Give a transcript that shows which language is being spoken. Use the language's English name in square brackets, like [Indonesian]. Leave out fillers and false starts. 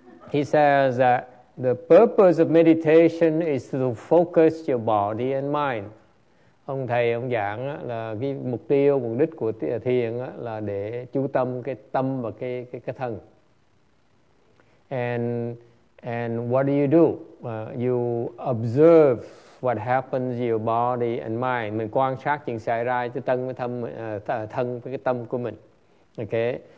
[English] He says that the purpose of meditation is to focus your body and mind. [Vietnamese] Ông thầy ông giảng là cái mục tiêu, mục đích của thiền là để chú tâm cái tâm và cái thân. [English] And what do you do? You observe what happens to your body and mind. [Vietnamese] Mình quan sát chuyện xảy ra cho thân với cái tâm của mình. Okay?